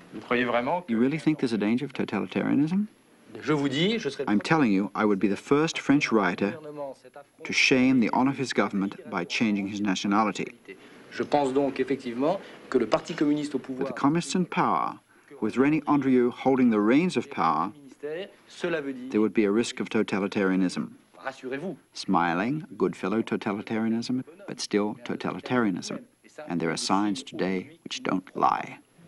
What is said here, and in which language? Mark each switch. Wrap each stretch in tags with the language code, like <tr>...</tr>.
<en>You really think there's a danger of totalitarianism? I'm telling you, I would be the first French writer to shame the honor of his government by changing his nationality.</en> <fr>Je pense donc effectivement que le Parti communiste au pouvoir,</fr> <en>the communists in power, with René Andrieux holding the reins of power,</en> <fr>cela veut dire</fr> <en>there would be a risk of totalitarianism.</en> <fr>Rassurez-vous.</fr> <en>Smiling, good fellow totalitarianism, but still totalitarianism. And there are signs today which don't lie.</en>